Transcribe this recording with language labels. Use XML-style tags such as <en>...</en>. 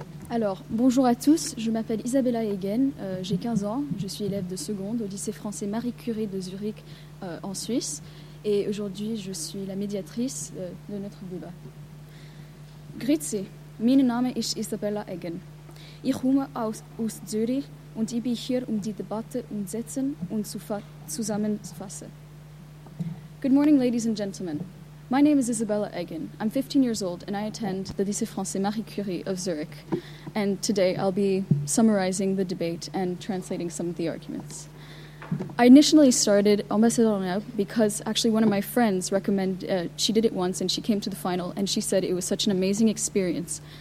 <fr>Alors, bonjour à tous, je m'appelle Isabella Hegen, j'ai 15 ans, je suis élève de seconde au lycée français Marie Curie de Zurich en Suisse, et aujourd'hui je suis la médiatrice de notre débat.</fr> <de>Grüezi, mein Name ist Isabella Hegen. Ich komme aus Zürich und ich bin hier um die Debatte umsetzen und zusammenzufassen.</de> <en>Good morning, ladies and gentlemen. My name is Isabella Hegen. I'm 15 years old and I attend the Lycée Français Marie Curie of Zurich. And today I'll be summarizing the debate and translating some of the arguments. I initially started Ambassadorial because actually one of my friends recommended, she did it once and she came to the final and she said it was such an amazing experience.</en>